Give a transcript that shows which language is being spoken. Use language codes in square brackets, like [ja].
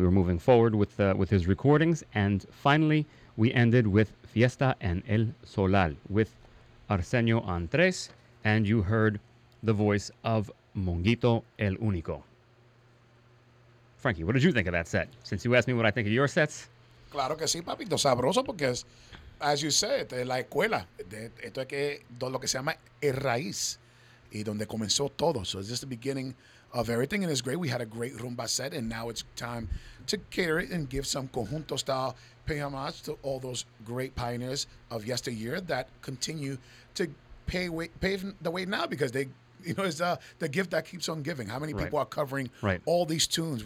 [en] We were moving forward with his recordings, and finally we ended with Fiesta en el Solal with Arsenio on tres, and you heard the voice of Monguito el Único. Frankie, what did you think of that set? Since you asked me what I think of your sets. [es] Claro que sí, papito. Sabroso, porque es, [en] as you said, [es] la escuela. Esto es que, lo que se llama el raíz. Y donde comenzó todo. [en] So it's just the beginning of everything. And it's great. We had a great rumba set. And now it's time to cater it and give some conjunto style pay homage to all those great pioneers of yesteryear that continue to pave the way now, because they... You know, it's the gift that keeps on giving. How many people are covering all these tunes?